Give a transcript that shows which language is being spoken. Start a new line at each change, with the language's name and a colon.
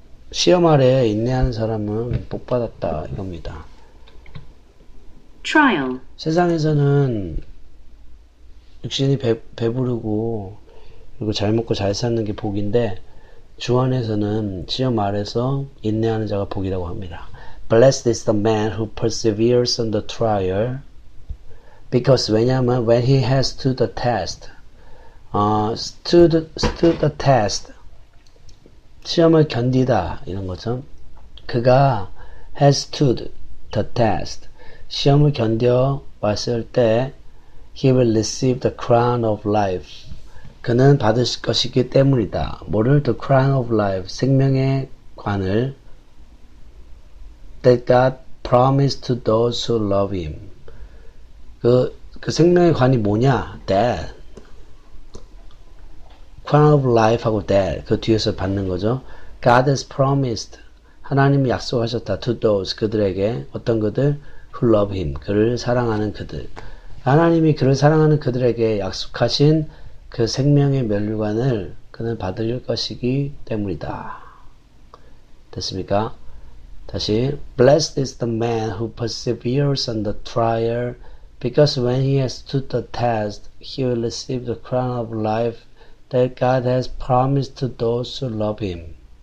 Korean: 시험 아래 인내하는 사람은 복 받았다. 이겁니다.
English: Trial.
Korean: 세상에서는 육신이 배부르고, 그리고 잘 먹고 잘 사는 게 복인데, 주 안에서는 시험 아래서 인내하는 자가 복이라고 합니다.
English: Blessed is the man who perseveres on the trial. Because
Korean: 왜냐하면
English: when he has stood the test, stood the test,
Korean: 시험을 견디다 이런 거죠. 그가
English: has stood the test,
Korean: 시험을 견뎌 왔을 때
English: he will receive the crown of life.
Korean: 그는 받으실 것이기 때문이다. 뭐를?
English: The crown of life,
Korean: 생명의 관을
English: that God promised to those who love him.
Korean: 그 생명의 관이 뭐냐? Death.
English: Crown of life
Korean: 하고
English: death.
Korean: 그 뒤에서 받는 거죠.
English: God has promised.
Korean: 하나님이 약속하셨다.
English: To those,
Korean: 그들에게. 어떤 그들?
English: Who love him.
Korean: 그를 사랑하는 그들. 하나님이 그를 사랑하는 그들에게 약속하신 그 생명의 면류관을 그는 받을 것이기 때문이다. 됐습니까? 다시.
English: Blessed is the man who perseveres on the trial because when he has stood the test, he will receive the crown of life that God has promised to those who love him.